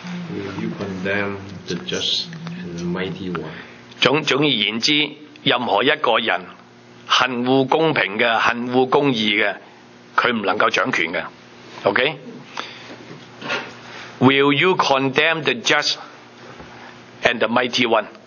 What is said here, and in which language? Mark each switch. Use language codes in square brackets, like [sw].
[en] Will you condemn the just and the mighty one? [zh] 总而言之，任何一个人恨恶公平的、恨恶公义的，他不能够掌权的， OK。 [en] Will you condemn the just and the mighty one?